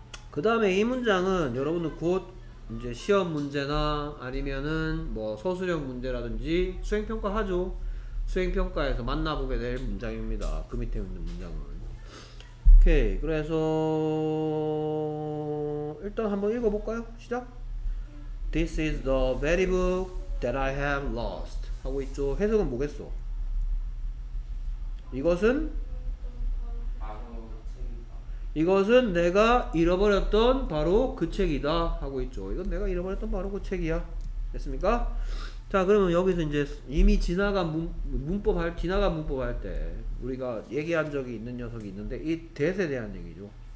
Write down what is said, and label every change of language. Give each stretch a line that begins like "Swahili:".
Korean: 그 다음에 이 문장은 여러분들 곧 이제 시험 문제나 아니면은 뭐 서술형 문제라든지 수행평가 하죠. 수행평가에서 만나보게 될 문장입니다. 그 밑에 있는 문장은. 오케이. 그래서 일단 한번 읽어볼까요? 시작.
English: This is the very book that I have lost.
Korean: 하고 있죠. 해석은 뭐겠어? 이것은 내가 잃어버렸던 바로 그 책이다 하고 있죠. 이건 내가 잃어버렸던 바로 그 책이야. 됐습니까? 자, 그러면 여기서 이제 이미 지나간 문법 할 때 우리가 얘기한 적이 있는 녀석이 있는데 이 that에 대한 얘기죠.